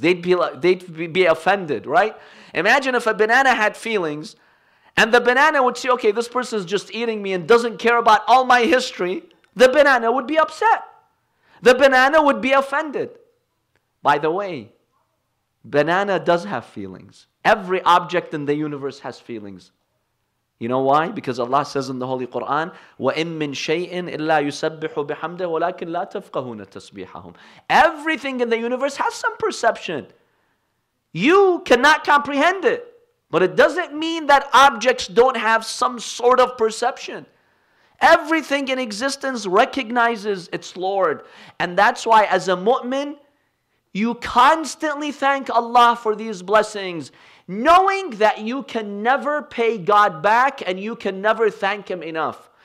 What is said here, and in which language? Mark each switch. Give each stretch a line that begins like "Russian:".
English: They'd be offended, right? Imagine if a banana had feelings, and the banana would say, okay, this person is just eating me and doesn't care about all my history. The banana would be upset. The banana would be offended. By the way, banana does have feelings. Every object in the universe has feelings. You know why? Because Allah says in the Holy Quran,
Arabic: وَإِن مِّن شَيْءٍ إِلَّا يُسَبِّحُ بِحَمْدِهِ وَلَكِنْ لَا تَفْقَهُونَ تَسْبِيحَهُمْ.
English: Everything in the universe has some perception. You cannot comprehend it. But it doesn't mean that objects don't have some sort of perception. Everything in existence recognizes its Lord. And that's why as a mu'min, you constantly thank Allah for these blessings, knowing that you can never pay God back and you can never thank Him enough.